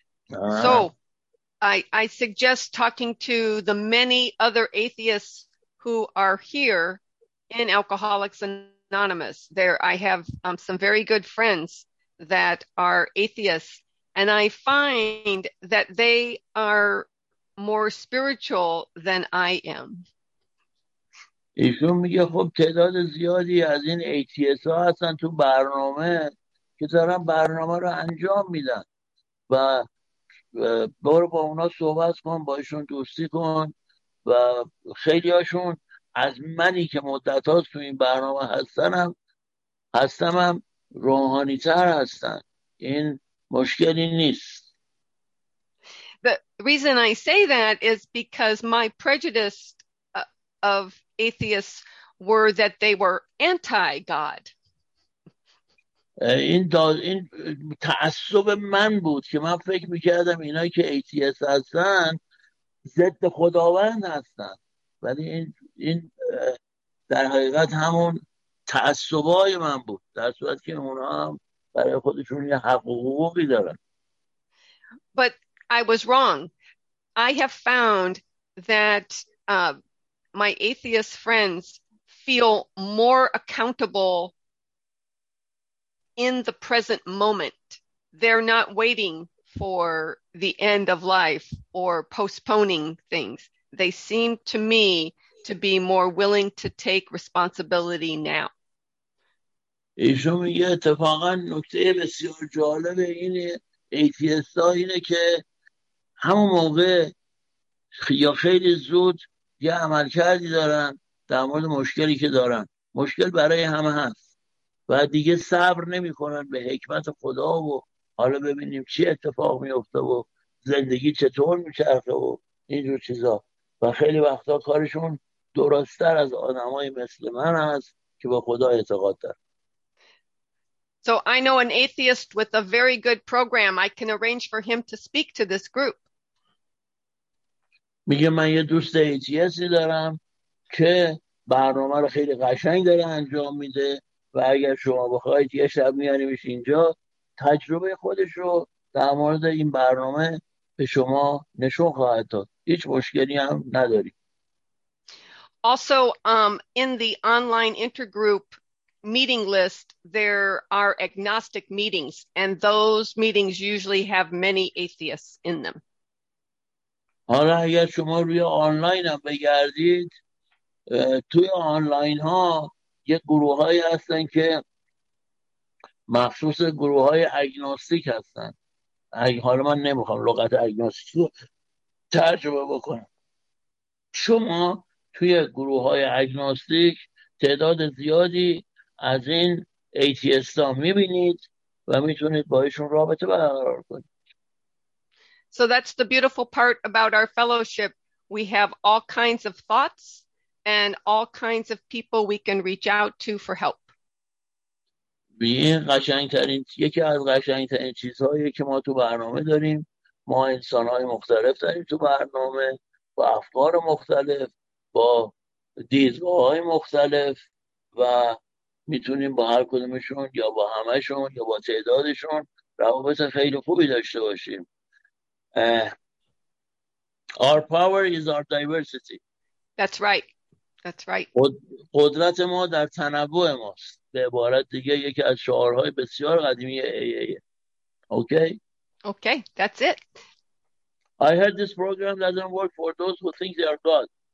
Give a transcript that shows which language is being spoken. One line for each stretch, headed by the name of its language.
English: So I suggest talking to the many other atheists who are here in Alcoholics Anonymous. There I have some very good friends that are atheists, and I find that they are more spiritual than I am.
Persian: ایشون میگه خب تعداد زیادی از این ATS ها هستن تو برنامه که دارن برنامه رو انجام میدن و برو با اونا صحبت کن، با ایشون دوستی کن و خیلی هاشون از منی که مدت هاست تو این برنامه هستم روحانی تر هستن، این مشکلی نیست.
English: The reason I say that is because my prejudice of atheists were that they were anti-God.
Persian: این تعصب من بود که من فکر میکردم اینا که ATS هستن ضد خداوند هستن، ولی این در حقیقت همون تعصبای من بود، در صورت که اونا هم برای خودشون یه حق و حقوقی دارن.
English: But I was wrong. I have found that my atheist friends feel more accountable in the present moment. They're not waiting for the end of life or postponing things. They seem to me to be more willing to take responsibility now.
Persian: ایشون میگه اتفاقا نکته بسیار جالب این ATS ها اینه که همون موقع یا خیلی زود یه عمل کردی دارن در مورد مشکلی که دارن، مشکل برای همه هست و دیگه صبر نمی کنن به حکمت خدا و حالا ببینیم چی اتفاق می افته و زندگی چطور می چرخه و اینجور چیزا، و خیلی وقتا کارشون درستر از آدم های مثل من هست که با خدا اعتقاد دارن.
English: So I know an atheist with a very good program. I can arrange for him to speak to this group.
Persian: میگه من یه دوست ATS دارم که برنامه رو خیلی قشنگ داره انجام میده و اگر شما بخواید یه شب میانیمش اینجا تجربه خودش رو در مورد این برنامه به شما نشون خواهد داد. هیچ مشکلی هم نداری.
English: Also, in the online intergroup meeting list, there are agnostic meetings, and those meetings usually have many atheists in them.
Persian: حالا اگر شما روی آنلاین هم بگردید، توی آنلاین ها یه گروه هایی هستن که مخصوص گروه های اگناستیک هستن. حالا من نمیخوام لغت اگناستیک رو ترجمه بکنم. شما توی گروه های اگناستیک تعداد زیادی از این ATS ها میبینید و میتونید با ایشون رابطه برقرار کنید.
English: So that's the beautiful part about our fellowship. We have all kinds of thoughts and all kinds of people we can reach out to for help.
Persian: یکی از قشنگترین چیزهایی که ما تو برنامه داریم، ما انسانهای مختلف داریم تو برنامه، با افکار مختلف، با دیدگاه‌های مختلف و میتونیم با هر کدومشون یا با همهشون یا با تعدادشون روابط خیلی خوبی داشته باشیم.
English: Our power is our diversity. That's right. That's right.
Persian: قدرت ما در تنوع ماست. به عبارت دیگه یکی از شعارهای بسیار قدیمی AA.
English: Okay? Okay, that's it. I heard this program doesn't work for those who think they are God.